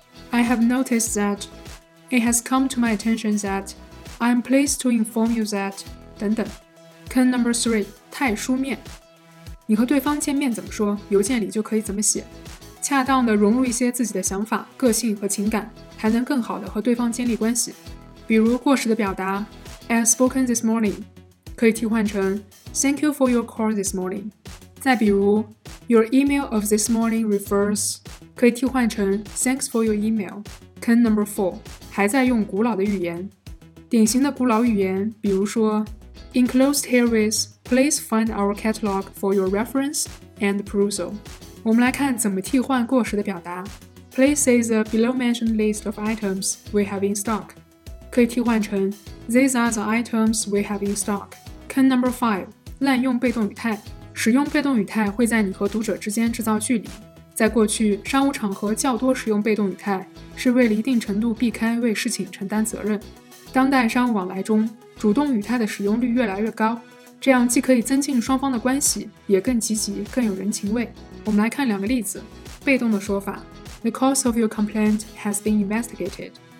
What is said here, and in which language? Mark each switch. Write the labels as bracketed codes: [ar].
[en] I have noticed that, it has come to my attention that, I'm pleased to inform you that, [zh] 等等。坑 [en] number three, [zh] 太书面。你和对方见面怎么说，邮件里就可以怎么写。恰当地融入一些自己的想法、个性和情感，还能更好地和对方建立关系。比如过时的表达 , [en] as spoken this morning, [zh] 可以替换成 , [en] thank you for your call this morning。 [zh] 再比如 , [en] your email of this morning refers, [zh] 可以替换成 [en] thanks for your email. [zh] 坑 [en] number four, [zh] 还在用古老的语言。典型的古老语言比如说 , [en] enclosed here is, please find our catalog for your reference and perusal. [zh] 我们来看怎么替换过时的表达。 [en] Please see the below mentioned list of items we have in stock. [zh] 可以替换成 , [en] these are the items we have in stock. [zh] 坑 [en] number five, [zh] 滥用被动语态。使用被动语态会在你和读者之间制造距离。在过去，商务场合较多使用被动语态，是为了一定程度避开为事情承担责任。当代商务往来中，主动语态的使用率越来越高，这样既可以增进双方的关系，也更积极，更有人情味。我们来看两个例子。被动的说法 [en] The cause of your complaint has been investigated.